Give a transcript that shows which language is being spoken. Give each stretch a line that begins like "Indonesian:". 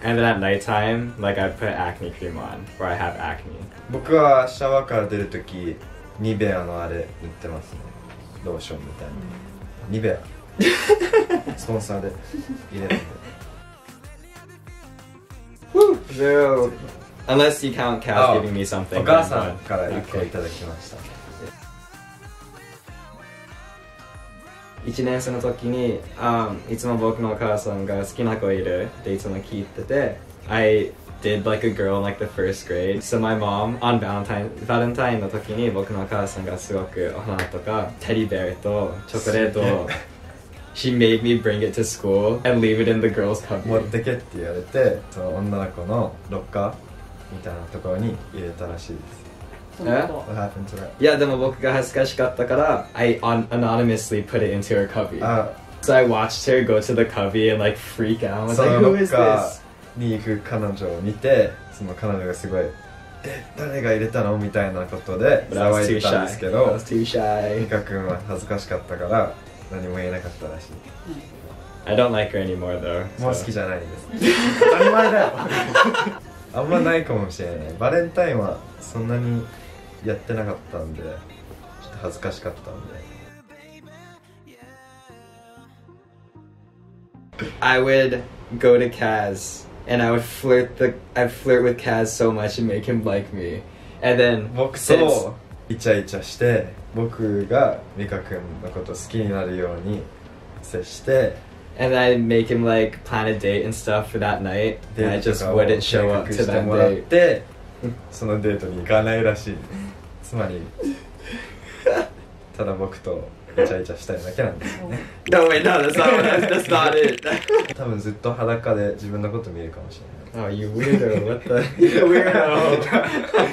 English: And then at night time, like I put acne cream on where I have acne.
Japanese: 僕はシャワーから出るときニベアのあれ塗ってますね。ローションみたいな。ニベアスポンサーで入れるんで。
English: Zero. Unless you count cows giving me something.
Japanese: お母さんから1個いただきました。 1年生の時に、いつも僕のお母さんが好きな子いるっていつも聞いてて、
English: I did like a girl in like the first grade. So my mom, on Valentine
Japanese: の時に僕のお母さんがすごくお花とか、テディベアとチョコレートを。
English: She made me bring it to school and leave it in the girl's cupboard.
Japanese: 持ってけって言われて、その女の子のロッカーみたいなところに入れたらしいです。
English: What happened to that?
Japanese: いや、でも僕が恥ずかしかったから、
English: I anonymously put it into her cubby. So I watched her go to the cubby and like freak out. I was like, who is this?
Japanese: そのロッカーに行く彼女を見て、その彼女がすごい、誰が入れたのみたいなことで騒いでたんですけど、
English: I was too shy.
Japanese: ミカ君は恥ずかしかったから、何も言えなかったらしい。
English: I don't like her anymore though.
Japanese: もう好きじゃないです。当たり前だよ。あんまないかもしれない。バレンタインはそんなにやってなかったんで、ちょっと恥ずかしかったんで。
English: I would go to Kaz and I would flirt with Kaz so much and make him like me. And then
Japanese: 僕とイチャイチャして。僕がミカ君のこと好きになるように接して、
English: And I make him like plan a date and stuff for that night and I just wouldn't show up to that date.
Japanese: そのデートに行かないらしい。つまりただ僕とイチャイチャしたいだけなんですよね。
English: No wait, no, that's not it.
Japanese: 多分ずっと裸で自分のこと見るかもしれない。
English: Oh, you weirdo, what the weirdo.